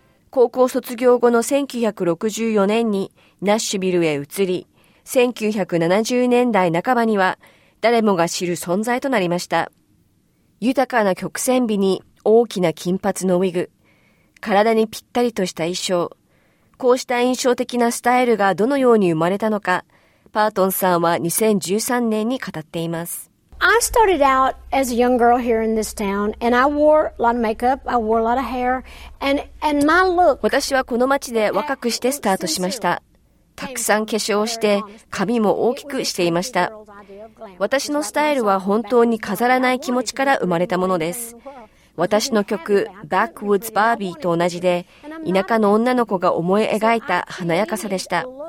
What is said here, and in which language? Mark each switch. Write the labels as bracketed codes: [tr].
[ja] 高校卒業後の1964年にナッシュビルへ移り、1970年代半ばには誰もが知る存在となりました。豊かな曲線美に大きな金髪のウィグ、体にぴったりとした衣装、こうした印象的なスタイルがどのように生まれたのか、パートンさんは2013年に語っています。 [en] I started out as a young girl here in this town, and I wore a lot of makeup, I wore a lot of hair, and my look. [ja] 私はこの街で若くしてスタートしました。たくさん化粧をして、髪も大きくしていました。私のスタイルは本当に飾らない気持ちから生まれたものです。私の曲、Backwoods Barbie と同じで、田舎の女の子が思い描いた華やかさでした。